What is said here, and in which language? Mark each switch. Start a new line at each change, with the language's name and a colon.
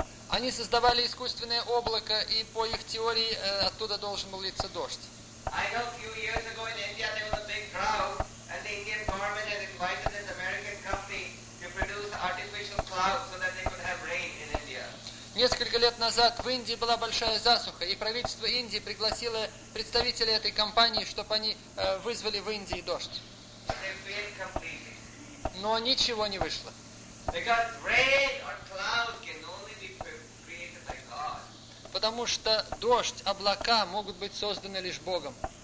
Russian: Они создавали искусственное облако, и по их теории оттуда должен был литься дождь.
English: I know a few years ago in India there was a big drought and the Indian government had invited this American company to produce artificial clouds so that they could have rain in India.
Russian: Несколько лет назад в Индии была большая засуха, и правительство Индии пригласило представителей этой компании, чтобы они вызвали в Индии дождь.
English: They failed completely.
Russian: Но ничего не вышло.
English: Because rain or clouds can only be created by God.
Russian: Потому что дождь, облака могут быть созданы лишь Богом.